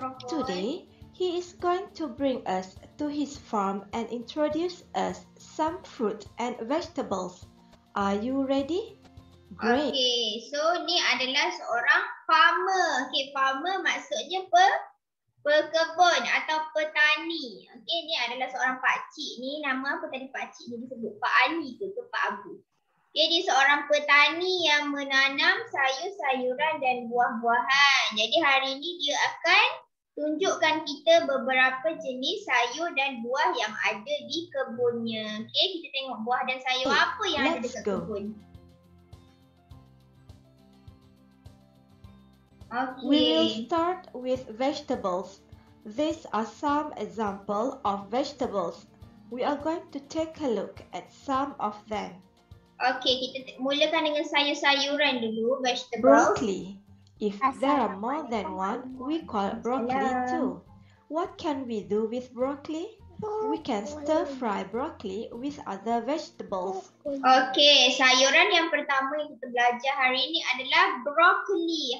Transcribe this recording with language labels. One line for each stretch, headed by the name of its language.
English: Today, he is going to bring us to his farm and introduce us some fruit and vegetables. Are you ready? Great.
Malay: Okay, so ni adalah seorang farmer. Okay, farmer maksudnya pekebun atau petani. Okay, ni adalah seorang pakcik ni. Nama apa tadi pakcik ni disebut? Pak Ali ke Pak Abu? Okay, dia seorang petani yang menanam sayur-sayuran dan buah-buahan. Jadi hari ni dia akan tunjukkan kita beberapa jenis sayur dan buah yang ada di kebunnya. Okey, kita tengok buah dan sayur apa yang ada dekat kebun. Okay.
English: We will start with vegetables. These are some example of vegetables. We are going to take a look at some of them.
Malay: Okey, kita mulakan dengan sayur-sayuran dulu, vegetables.
English: Broccoli. If there are more than one, we call broccoli too. What can we do with broccoli? We can stir fry broccoli with other vegetables.
Malay: Okay, sayuran yang pertama yang kita belajar hari ini adalah broccoli.